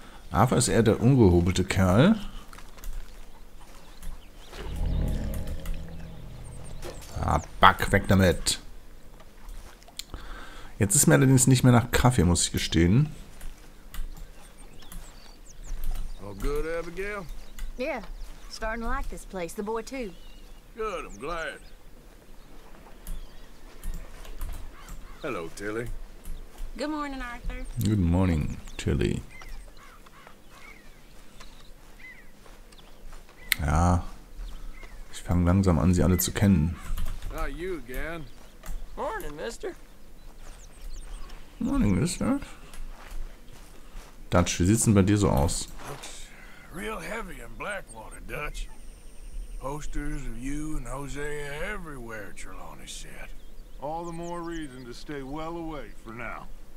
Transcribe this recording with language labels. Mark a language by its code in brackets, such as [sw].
[de] Arthur ist eher der ungehobelte Kerl. Ah, Back, weg damit. Jetzt ist mir allerdings nicht mehr nach Kaffee, muss ich gestehen. [en] All good, Abigail? Yeah, starting to like this place, the boy too. Good, I'm glad. Hello, Tilly. Good morning, Arthur. Good morning, Tilly. [de] Ja, ich fange langsam an, sie alle zu kennen. [en] Ah, you again. Morning, Mister. Morning, Mister. [de] Dutch, wie sieht's denn bei dir so aus? [en] Looks real heavy in Blackwater, Dutch. Posters of you and Hosea everywhere, Trelawney said. All the more reason to stay well away for now.